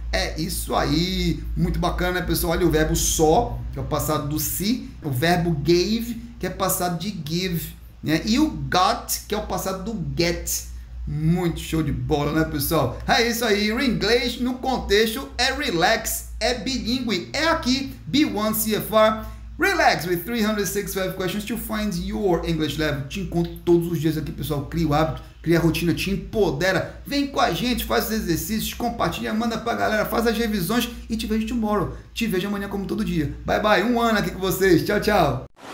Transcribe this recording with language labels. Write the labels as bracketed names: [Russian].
[Portuguese] É isso aí, muito bacana, né, pessoal? Olha o verbo só, que é o passado do se, o verbo gave, que é passado de give, né? E o got, que é o passado do get. Muito show de bola, né, pessoal? É isso aí. O inglês no contexto é relax, é bilingue. É aqui, B1 CFR. [English] Relax with 365 questions to find your English level. [Portuguese] Te encontro todos os dias aqui, pessoal. Cria o hábito, cria a rotina, te empodera. Vem com a gente, faz os exercícios, compartilha, manda pra galera, faz as revisões e te vejo [English] tomorrow. [Portuguese] Te vejo amanhã como todo dia. Bye, bye. Um ano aqui com vocês. Tchau, tchau.